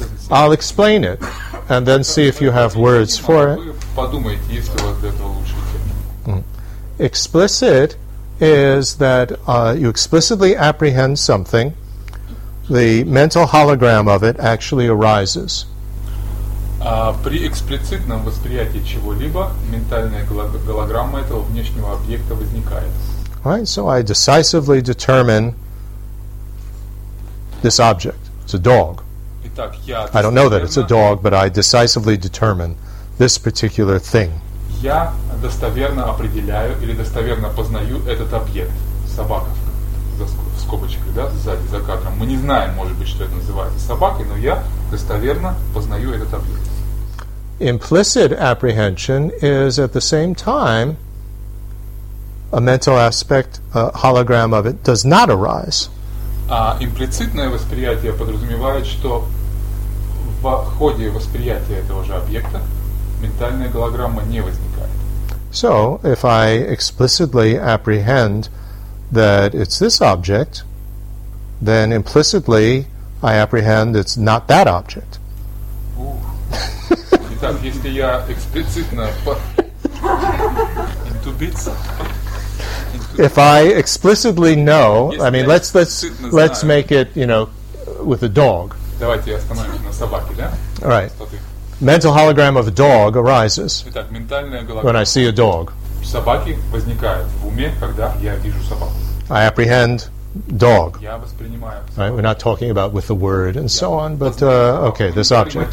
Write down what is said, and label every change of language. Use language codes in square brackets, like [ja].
[en] I'll explain it and then see if you have words for it. [ru] Подумайте, если у вас для этого лучше. [en] Explicit is that you explicitly apprehend something, the mental hologram of it actually arises. [ru] При эксплицитном восприятии чего-либо ментальная голограмма этого внешнего объекта возникает. [en] Right, so I decisively determine this object. It's a dog. [ru] Итак, [en] I don't know that it's a dog, but I decisively determine this particular thing. [ru] Я достоверно определяю или достоверно познаю этот объект. Собака в скобочках, да, сзади, за кадром. Мы не знаем, может быть, что это называется собакой, но я достоверно познаю этот объект. [en] Implicit apprehension is at the same time a mental aspect, a hologram of it does not arise. [ru] А имплицитное восприятие подразумевает, что в ходе восприятия этого же объекта ментальная голограмма не возникает. [en] So, if I explicitly apprehend that it's this object, then implicitly I apprehend it's not that object. [ru] Итак, если я эксплицитно [en] into bits. If I explicitly know, I mean, let's make it, you know, with a dog. [ru] Давайте остановимся на собаке, да? [en] All right. Mental hologram of a dog arises. [ru] Итак, ментальная голограмма. [en] When I see a dog. [ru] Собаки возникают в уме, когда я вижу собаку. [en] I apprehend dog. [ru] Я воспринимаю. [en] Right? We're not talking about with the word and so on, but okay, this object.